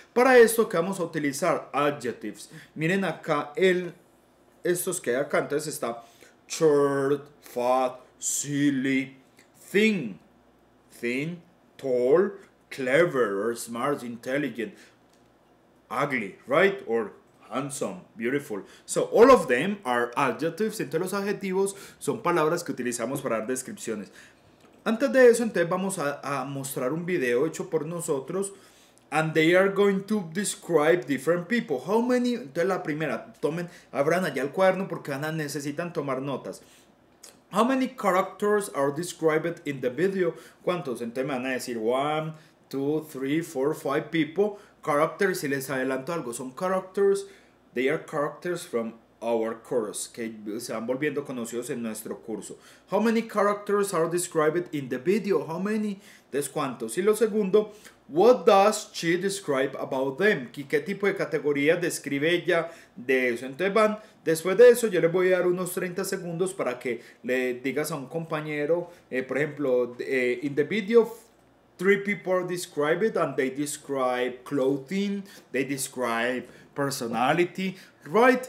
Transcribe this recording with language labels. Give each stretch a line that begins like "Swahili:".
Spanish: Para esto que vamos a utilizar adjectives. Miren acá el estos que hay acá, entonces está
English: short, fat, silly, thin, thin, tall, clever or smart, intelligent, ugly, right? Or handsome, beautiful. So all of them are adjectives.
Spanish: Entonces los adjetivos son palabras que utilizamos para dar descripciones. Antes de eso, entonces vamos a mostrar un video hecho por nosotros.
English: And they are going to describe different people. How many?
Spanish: Entonces la primera, tomen, abran allá el cuaderno porque necesitan tomar notas.
English: How many characters are described in the video?
Spanish: ¿Cuántos? Entonces me van a decir 1, 2, 3, 4, 5 people. Characters, si les adelanto algo, son characters.
English: They are characters from our course,
Spanish: que se van volviendo conocidos en nuestro curso.
English: How many characters are described in the video? How many?
Spanish: Entonces, ¿cuántos? Y lo segundo,
English: what does she describe about them?
Spanish: ¿Qué tipo de categoría describe ella de eso? Entonces van, después de eso yo les voy a dar unos 30 segundos para que le digas a un compañero, por ejemplo,
English: in the video, three people describe it and they describe clothing, they describe personality, right?